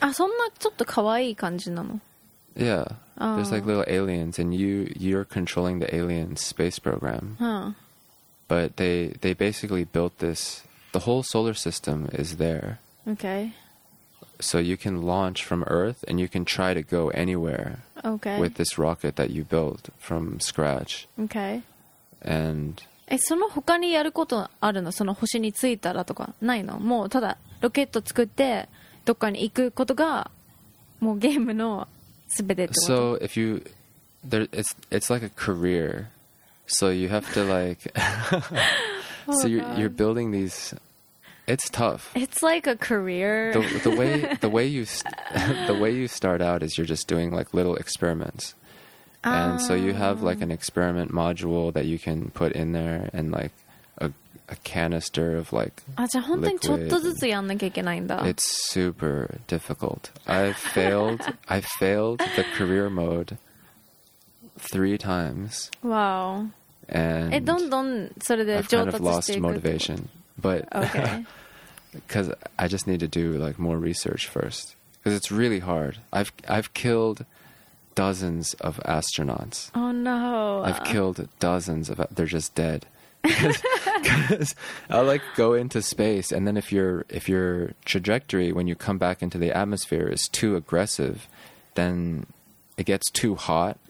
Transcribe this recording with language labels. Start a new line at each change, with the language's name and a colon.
Japanese: あ、そんなちょっと可愛い感じなの?
English: Yeah. Oh. There's like little aliens and you're controlling the alien's space program. Huh. But they basically built this the whole solar system is there. Okay. So you can launch from Earth and you can try to go anywhere. Okay. With this rocket that you built from scratch. Okay. And
Japanese: え、その他にやることあるの?その星に着いたらとかないの? もうただロケット作ってどっかに行くことがもうゲームの全てってこと?
English: So if you... It's like a career. So you have to like... So you're building these... It's tough. It's like a career. The way you start out is you're just doing like little experiments. And so you have like an experiment module that you can put in there and like a canister of like liquid.
Japanese: あ、じゃあ本当にちょっとずつやんなきゃいけないんだ。
English: It's super difficult. I failed the career mode 3 times. Wow. And
Japanese: え、どんどんそれで上達していく。
English: I've kind of lost motivation. But because I just need to do like more research first. Because it's really hard. I've killed dozens of astronauts. Oh no. I've killed dozens of, they're just dead. Because I like go into space, and then if your trajectory when you come back into the atmosphere is too aggressive, then it gets too hot.